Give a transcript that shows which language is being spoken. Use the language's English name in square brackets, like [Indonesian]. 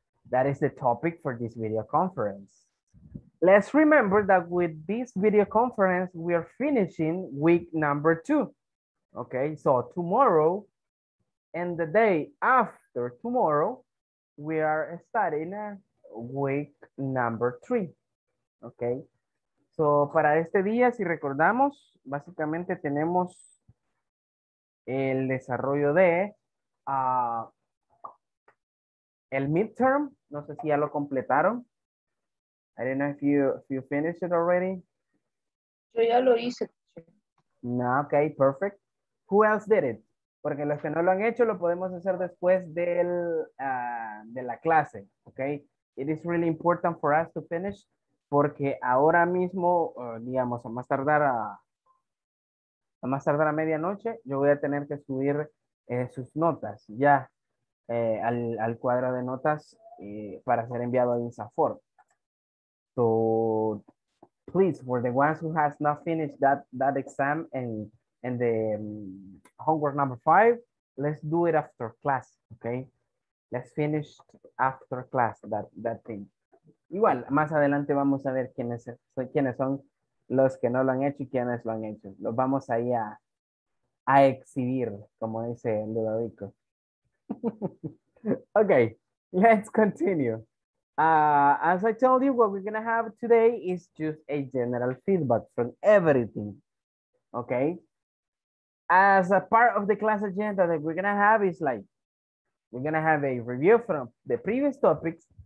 [English] That is the topic for this video conference. Let's remember that with this video conference, we are finishing week number two. Okay, so tomorrow and the day after tomorrow, we are starting week number three. Okay, so [Spanish] para este día, si recordamos, básicamente tenemos el desarrollo de el midterm. No sé si ya lo completaron. [English] I don't know if you finished it already. [Spanish] Yo ya lo hice. [English] No, okay, perfect. Who else did it? [Spanish] Porque los que no lo han hecho lo podemos hacer después del de la clase, okay? [English] It is really important for us to finish [Spanish] porque ahora mismo, digamos, a más tardar a medianoche, yo voy a tener que subir sus notas ya al cuadro de notas para ser enviado a INSAFORP. [English] So please, for the ones who has not finished that exam and the homework number five, let's do it after class, okay? Let's finish after class that thing. [Spanish] Igual, más adelante vamos a ver quiénes son los que no lo han hecho y quienes lo han hecho. Los vamos ahí a exhibir, como dice Ludovico. [English] Okay, let's continue. As I told you, what we're going to have today is just a general feedback from everything. Okay? As a part of the class agenda that we're going to have is like, we're going to have a review from the previous topics.